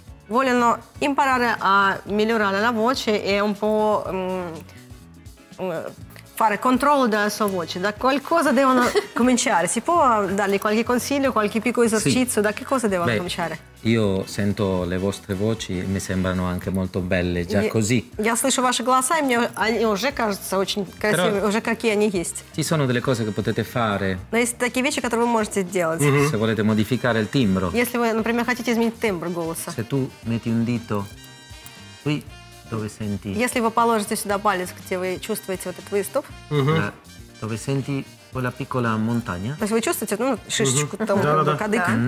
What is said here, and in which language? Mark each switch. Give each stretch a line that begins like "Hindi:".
Italian: Vogliono imparare a migliorare la voce e un po' fare controllo della sua voce. Da qualcosa devono cominciare? Si può dargli qualche consiglio, qualche piccolo esercizio? Sì. Da che cosa devono cominciare? Io sento le vostre voci e mi sembrano anche molto belle, già così.
Russian: Я слышу ваши голоса и мне они уже кажутся очень красивыми, уже какие они есть.
Italian: Ci sono delle cose che potete fare.
Russian: Но есть такие вещи, которые вы можете сделать.
Italian: Se volete modificare il timbro.
Russian: Если вы, например, хотите изменить тембр голоса.
Italian: Se tu metti un dito qui, dove senti.
Russian: Если вы положите сюда палец, где вы чувствуете вот этот выступ.
Italian: Dove senti quella piccola montagna.
Russian: То есть вы чувствуете, ну, шишечку там, кадык.